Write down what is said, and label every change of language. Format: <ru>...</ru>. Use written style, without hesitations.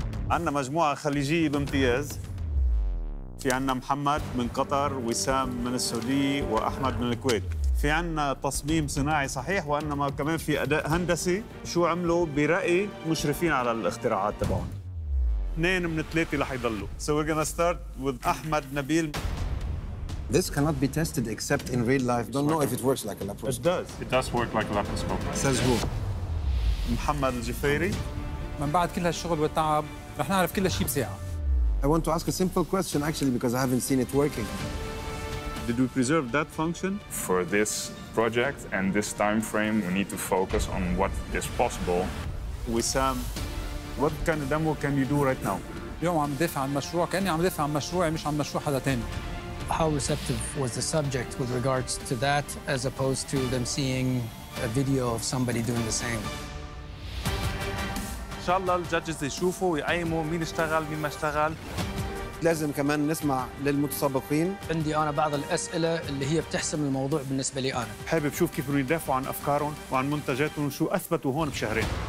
<ar>عندنا مجموعة خليجية بامتياز. في عندنا محمد من قطر، وسام من السعودية، وأحمد من الكويت. في عنا تصميم صناعي صحيح، وإنما كمان في أداء هندسي. شو عملوا برأي مشرفين على الاختراعات تبعهم؟ اثنين من الثلاثة رح يضلوا.</ar> <en>So we're gonna start with أحمد نبيل. This cannot be tested except in real life. Don't know if it works like a laparoscope. It does work like a laparoscope. Says who?</en> <ar>محمد الجفيري. من بعد كل هالشغل والتعب رح نعرف كل شيء بساعة.</ar> <en>I want to ask a simple question actually because I haven't seen it working. Did we preserve that function? For this project and this time frame, we need to focus on what is possible. Wissam, what kind of demo can you do right now?</en> <ar>اليوم عم دافع عن مشروع كأني عم دافع عن مشروعي مش عن مشروع حدا تاني.</ar> <en>How receptive was the subject with regards to that as opposed to them seeing a video of somebody doing the same?</en> <ar>إن شاء الله الجادجز يشوفوا ويقيموا مين اشتغل مين ما اشتغل. لازم كمان نسمع للمتسابقين. عندي أنا بعض الأسئلة اللي هي بتحسم الموضوع بالنسبة لي أنا. حابب شوف كيف يدافعوا عن أفكارهم وعن منتجاتهم وشو أثبتوا هون بشهرين.</ar>